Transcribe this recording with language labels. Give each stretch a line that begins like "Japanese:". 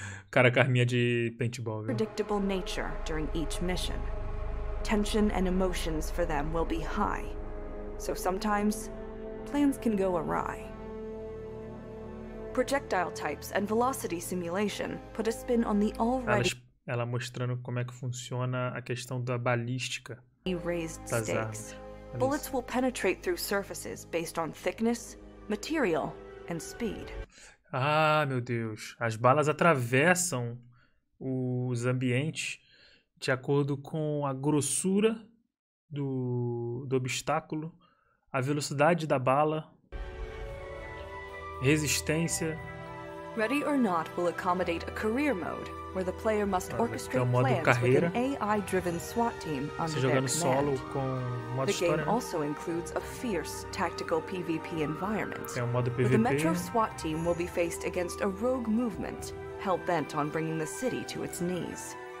Portuguese: Cara, carminha de paintball.
English: Predictable nature during each mission. Tension and emotions for them will be high. So sometimes plans can go awry. Projectile types and velocity simulation put a spin on the already.
Portuguese: Ela mostrando como é que funciona a questão da balística.
English: Raised stakes. Bullets will penetrate through surfaces based on thickness, material, and speed.
Portuguese: Ah, meu Deus. As balas atravessam os ambientes de acordo com a grossura do obstáculo, a velocidade da bala, resistência.
English: Ready or Not will accommodate a career mode where the player must orchestrate plans with an AI-driven SWAT team under their command. The game also includes a fierce tactical PvP environment. The Metro SWAT team will be faced against a rogue movement, hell-bent on bringing the city to its knees.